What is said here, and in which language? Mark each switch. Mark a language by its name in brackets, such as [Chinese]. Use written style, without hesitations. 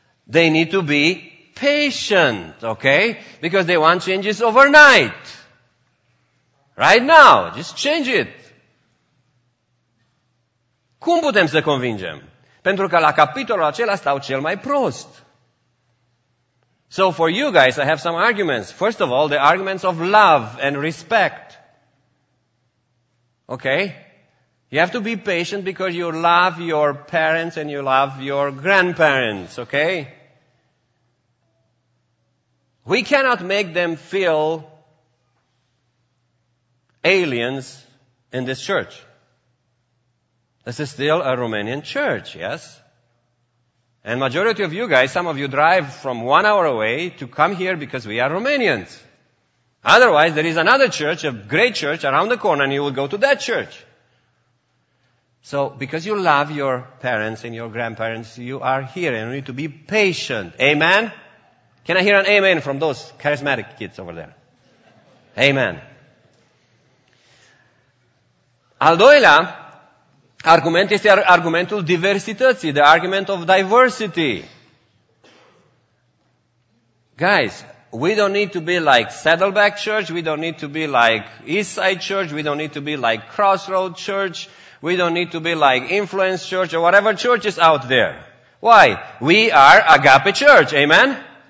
[English] They need to be patient, ok? Because they want changes overnight. Right now, just change it. [Romanian] Cum putem să convingem? Pentru că la capitolul acela stau cel mai prost. [English] So for you guys, I have some arguments. First of all, the arguments of love and respect. Okay? You have to be patient because you love your parents and you love your grandparents. Okay? We cannot make them feel aliens in this church. This is still a Romanian church, yes? And majority of you guys, some of you drive from 1 hour away to come here because we are Romanians. Otherwise, there is another church, a great church around the corner, and you will go to that church. So, because you love your parents and your grandparents, you are here and you need to be patient. Amen? Can I hear an amen from those charismatic kids over there? Amen. [Romanian] Al doilea, argument este argumentul diversității, [English] the argument of diversity. Guys, we don't need to be like Saddleback Church, we don't need to be like Eastside Church, we don't need to be like Crossroad Church, we don't need to be like Influence Church or whatever church is out there. Why? We are Agape Church, amen?